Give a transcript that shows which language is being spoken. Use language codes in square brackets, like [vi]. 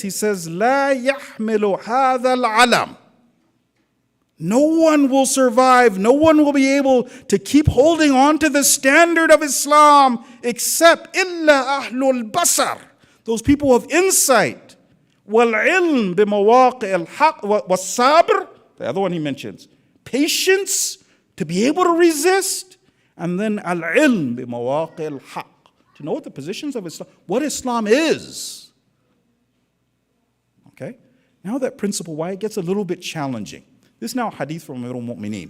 [en] He says, [ar] لا يحمل هذا العلم. [en] No one will survive. No one will be able to keep holding on to the standard of Islam except [ar] إلا أهل البصر. [en] Those people of insight. [ar] والعلم بمواقع الحق والصبر. [en] The other one he mentions. Patience. To be able to resist, and then [ar] al-ilm bi-mawaqi al-haq. [en] To know what the positions of Islam, what Islam is. Okay? Now that principle, why it gets a little bit challenging. This is now a hadith from Amir al-Mu'mineen.